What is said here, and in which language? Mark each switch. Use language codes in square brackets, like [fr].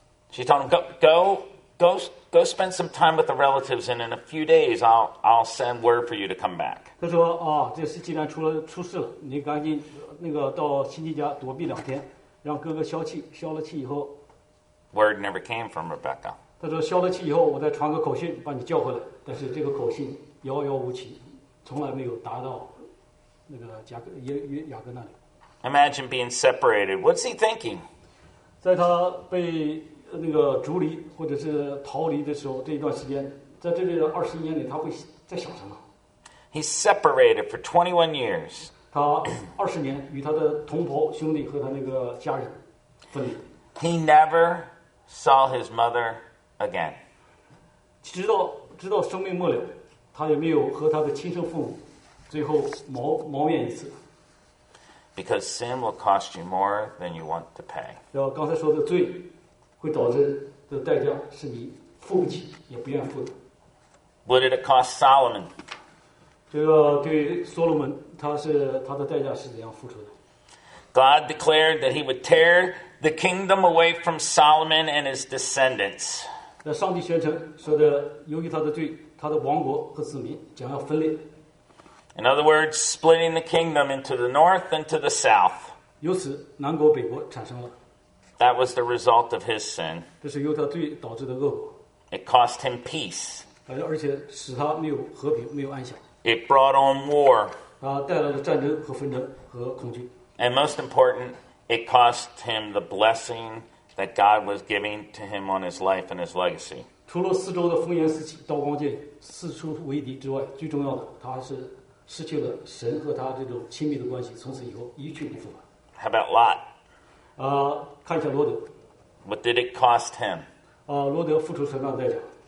[en] She told him go spend some time with the relatives, and in a few days, I'll send word for you to come back. [zh] 他说这是既然出事了，你赶紧到亲戚家躲避两天，让哥哥消气。消了气以后 [en] ，word never came from Rebecca. [zh] 他说消了气以后，我再传个口信把你叫回来，但是这个口信遥遥无期，从来没有达到那个雅各那里。 [en] Imagine being separated. What's he thinking? [zh] 在他被那个逐离或者是逃离的时候，这一段时间，在这21年里，他会在想什么 [en] ？He separated for 21 years. [zh] 他20年与他的同袍兄弟和他那个家人分离。 [en] He never saw his mother again. [zh] 直到生命末了，他也没有和他的亲生父母最后谋面一次。 [en] Because sin will cost you more than you want to pay. [zh] 刚才说的罪。会导致的代价是你付不起，也不愿意付的。 [en] What did it cost Solomon? [zh] 这个对所罗门，他的代价是怎样付出的？ [en] God declared that he would tear the kingdom away from Solomon and his descendants. [zh] 那上帝宣称说的，由于他的罪，他的王国和子民将要分裂。 [en] In other words, splitting the kingdom into the north and to the south. [zh] 由此，南国北国产生了。 [en] That was the result of his sin. [zh] 这是由他罪导致的恶果。 [en] It cost him peace. [zh] 而且使他没有和平，没有安详。 [en] It brought on war. [zh] 带来了战争和纷争和恐惧。 [en] And most important, it cost him the blessing that God was giving to him on his life and his legacy. [zh] 除了四周的烽烟四起、刀光剑影、四处为敌之外，最重要的，他是失去了神和他这种亲密的关系，从此以后一去不复返。 [en] How about Lot? [zh] 看一下罗德。 [en] What did it cost him? [zh] 罗德付出什么样的代价？